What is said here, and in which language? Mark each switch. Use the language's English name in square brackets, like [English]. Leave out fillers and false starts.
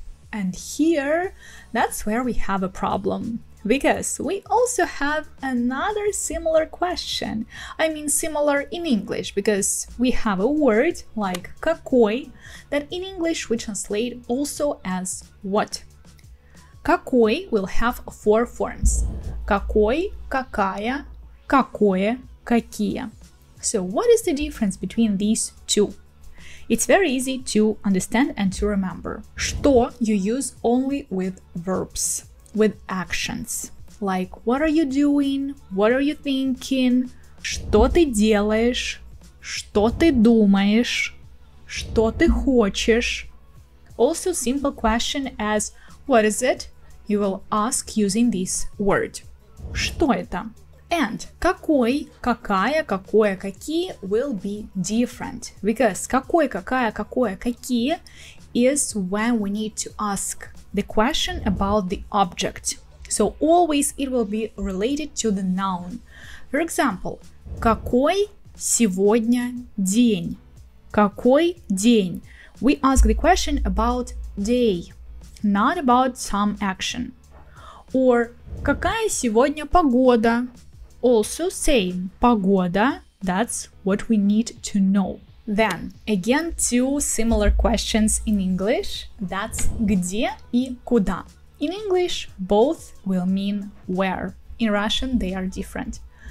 [English] And here, that's where we have a problem, because we also have another similar question. I mean similar in English, because we have a word like какой that in English we translate also as what. Какой will have four forms. [Russian] Какой, какая, какое, какие. [English] So what is the difference between these two? It's very easy to understand and to remember. Что you use only with verbs, with actions. Like what are you doing? What are you thinking? [Russian] Что ты делаешь? Что ты думаешь? Что ты хочешь? [English] Also simple question as what is it? You will ask using this word. [Russian] Что это? [English] And [Russian] какой, какая, какое, какие [English] will be different, because какой, какая, какое, какие is when we need to ask the question about the object. So always it will be related to the noun. For example, [Russian] какой сегодня день? Какой день? [English] We ask the question about day, not about some action. [Russian] Or какая сегодня погода? [English] Also same, погода, that's what we need to know. Then, again, two similar questions in English, that's [Russian] где и куда. [English] In English, both will mean where. In Russian, they are different.